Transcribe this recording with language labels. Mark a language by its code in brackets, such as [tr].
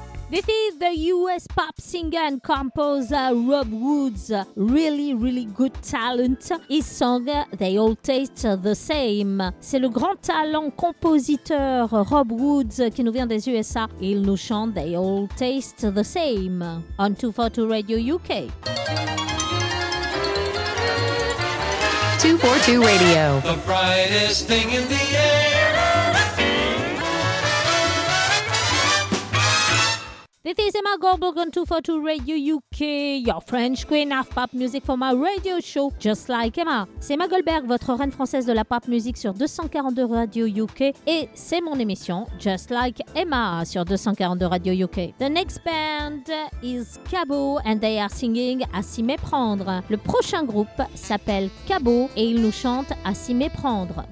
[en] This is the US pop singer and composer Rob Woods, really, really good talent. His song, They All Taste the Same. [fr] C'est le grand talent compositeur Rob Woods qui nous vient des USA. Il nous chante They All Taste the Same on 242 Radio UK. [en] 242 Radio. The brightest thing in the air. This is Emma Goldberg on 242 Radio UK, your French queen of pop music for my radio show, just like Emma. [fr] C'est Emma Goldberg, votre reine française de la pop music sur 242 Radio UK, et c'est mon émission, just like Emma, sur 242 Radio UK. [en] The next band is Cabo, and they are singing À s'y méprendre. [fr] Le prochain groupe s'appelle Cabo, et ils nous chantent À s'y méprendre.